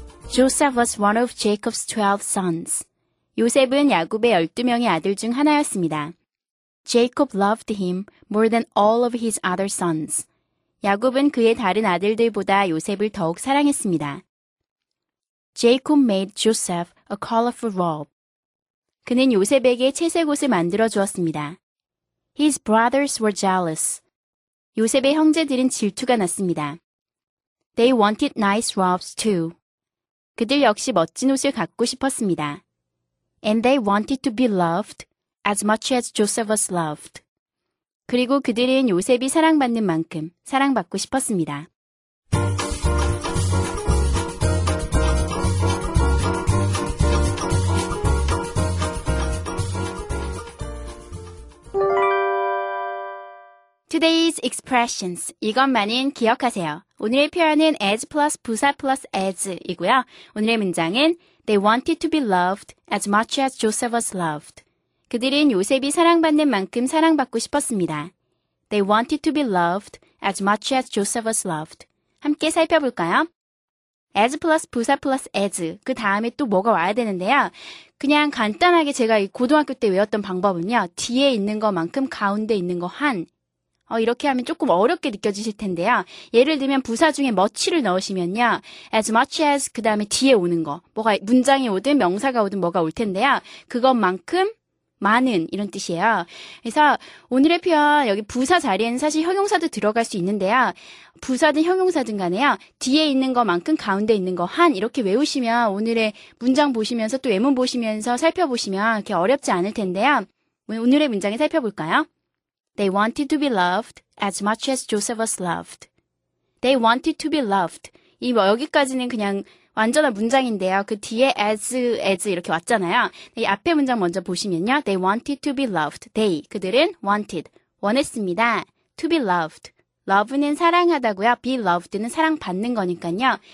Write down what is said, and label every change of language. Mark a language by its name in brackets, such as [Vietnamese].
[English] Joseph was one of Jacob's 12 sons. [Korean] 요셉은 야곱의 12명의 아들 중 하나였습니다. [English] Jacob loved him more than all of his other sons. [Korean] 야곱은 그의 다른 아들들보다 요셉을 더욱 사랑했습니다. [English] Jacob made Joseph a colorful robe. [Korean] 그는 요셉에게 채색 옷을 만들어 주었습니다. [English] His brothers were jealous. [Korean] 요셉의 형제들은 질투가 났습니다. [English] They wanted nice robes too. [Korean] 그들 역시 멋진 옷을 갖고 싶었습니다. [English] And they wanted to be loved. As much as Joseph was loved. [Korean] 그리고 그들은 요셉이 사랑받는 만큼 사랑받고 싶었습니다. [English] Today's expressions. [Korean] 이것만은 기억하세요. 오늘의 표현은 [English] as plus [Korean] 부사 [English] plus as [Korean] 이고요. 오늘의 문장은 [English] They wanted to be loved as much as Joseph was loved. [Korean] 그들은 요셉이 사랑받는 만큼 사랑받고 싶었습니다. [English] They wanted to be loved as much as Joseph was loved. [Korean] 함께 살펴볼까요? [English] as plus [Korean] 부사 [English] plus as [Korean] 그 다음에 또 뭐가 와야 되는데요. 그냥 간단하게 제가 고등학교 때 외웠던 방법은요. 뒤에 있는 것만큼 가운데 있는 거 한. 이렇게 하면 조금 어렵게 느껴지실 텐데요. 예를 들면 부사 중에 much를 넣으시면요. [English] as much as [Korean] 그 다음에 뒤에 오는 거. 뭐가 문장이 오든 명사가 오든 뭐가 올 텐데요. 그것만큼 많은 이런 뜻이에요. 그래서 오늘의 표현 여기 부사 자리에는 사실 형용사도 들어갈 수 있는데요. 부사든 형용사든 간에요. 뒤에 있는 것만큼 가운데 있는 것 한 이렇게 외우시면 오늘의 문장 보시면서 또 예문 보시면서 살펴보시면 그렇게 어렵지 않을 텐데요. 오늘의 문장을 살펴볼까요? [English] They wanted to be loved as much as Joseph was loved. They wanted to be loved. [Korean] 이 뭐 여기까지는 그냥 완전한 문장인데요. 그 뒤에 as 이렇게 왔잖아요. 이 앞에 문장 먼저 보시면요. [English] They wanted to be loved. They, [Korean] 그들은 wanted, 원했습니다. [English] To be loved. [Korean] Love는 사랑하다고요. Be loved는 사랑받는 거니까요.